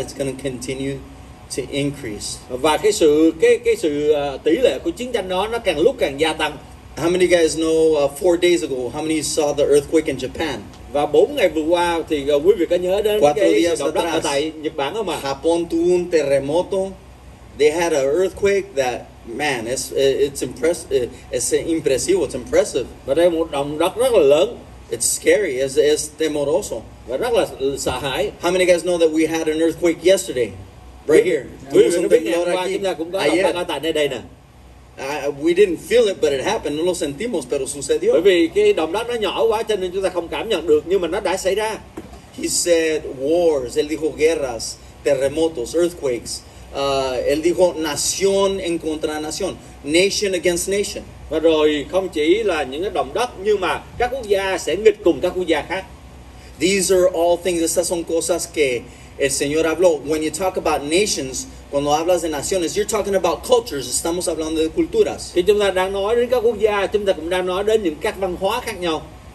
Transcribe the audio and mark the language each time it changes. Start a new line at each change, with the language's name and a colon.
English: It's going to continue to increase.
Vietnamese: Và cái sự tỷ lệ của chiến tranh đó nó càng lúc càng gia tăng.
English: How many guys know 4 days ago? How many saw the earthquake in Japan?
Vietnamese: Và 4 ngày vừa qua thì quý vị có nhớ đến cái động đất ở tại Nhật Bản không ạ?
Spanish: Japón tuvo un terremoto.
English: They had an earthquake that, man, it's impressive.
Vietnamese: Và đây một động đất rất là lớn.
English: It's scary, it's temoroso.
Vietnamese: Và rất là sợ hãi.
English: How many guys know that we had an earthquake yesterday? Right here.
Vietnamese: Quý vị có biết ngày hôm qua chúng ta cũng có động đất ở tại đây nè.
English: We didn't feel it, but it happened.
Spanish: No lo sentimos, pero sucedió.
Vietnamese: Bởi vì cái động đất nó nhỏ quá cho nên chúng ta không cảm nhận được, nhưng mà nó đã xảy ra.
English: He said wars,
Spanish: él dijo guerras, terremotos,
English: earthquakes.
Spanish: Él dijo nación en contra nación,
English: nation against nation.
Vietnamese: Và rồi không chỉ là những cái động đất, nhưng mà các quốc gia sẽ nghịch cùng các quốc gia khác.
English: These are all things,
Spanish: estas son cosas que el Señor habló.
English: When you talk about nations,
Spanish: cuando hablas de naciones,
English: you're talking about cultures.
Spanish: Estamos hablando de culturas.
Vietnamese: Khi chúng ta đang nói đến các quốc gia, chúng ta cũng đang nói đến những các văn hóa khác nhau.